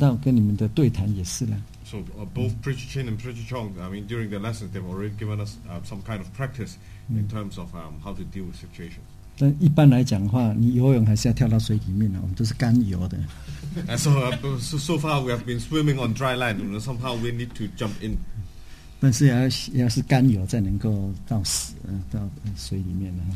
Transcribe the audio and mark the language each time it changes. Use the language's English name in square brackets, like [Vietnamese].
[English] So both Preacher Chin and Preacher Chong, I mean, during their lessons, they've already given us some kind of practice in terms of how to deal with situations. [Chinese] 但一般来讲的话, 你游泳还是要跳到水里面, 我们都是干游的。 [English] And so, so far, we have been swimming on dry land. You know, somehow, we need to jump in. [Chinese] 但是要是干游才能够到水里面。